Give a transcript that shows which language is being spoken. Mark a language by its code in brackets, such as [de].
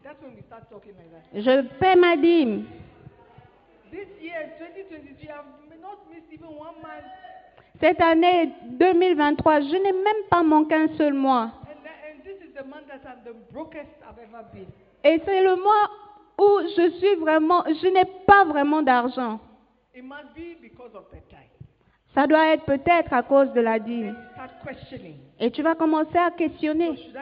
[en] That's when we start talking like that. [fr] Je paie ma dîme. [en] This year, 2023, I've not missed even one month. [fr] Cette année 2023, je n'ai même pas manqué un seul mois. [en] And this is the month that I'm the brokest I've ever been. [fr] Et c'est le mois où je suis vraiment, je n'ai pas vraiment d'argent. [en] It must be because of the tithe. [fr] Ça doit être peut-être à cause de la dîme. Et tu vas commencer à questionner.